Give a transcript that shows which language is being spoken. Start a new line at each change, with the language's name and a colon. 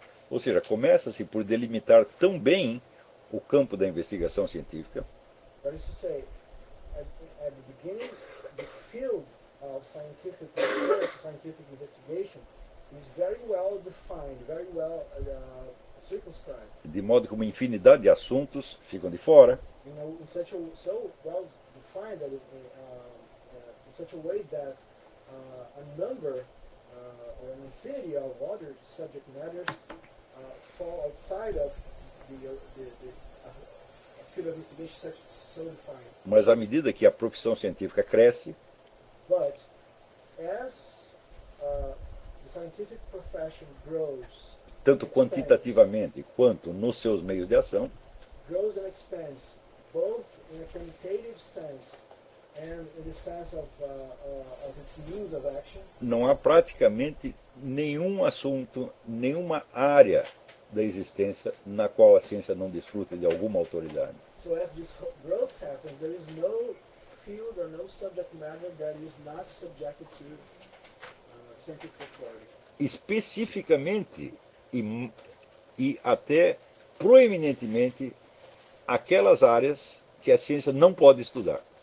Portuguese: Ou seja, começa-se por delimitar tão bem o campo da investigação científica.
English: That is to say, at the beginning, the field of scientific research, scientific investigation, is very well defined, very well circumscribed.
Portuguese: De modo que uma infinidade de assuntos ficam de fora.
English: You know, in such a so well defined that in such a way that a number or an infinity of other subject matters fall outside of the field of investigation such so defined.
Portuguese: Mas à medida que a profissão científica cresce.
English: But as the scientific profession grows,
Portuguese: tanto quantitativamente quanto nos seus meios de ação,
English: grows and expands both in a quantitative sense and in the sense of its means of action.
Portuguese: Não há praticamente nenhum assunto, nenhuma área da existência na qual a ciência não desfruta de alguma autoridade.
English: So as this growth happens, there is no field or no subject matter that is not subjected to scientific authority.
Portuguese: Especificamente e até proeminentemente aquelas áreas que a ciência não pode estudar.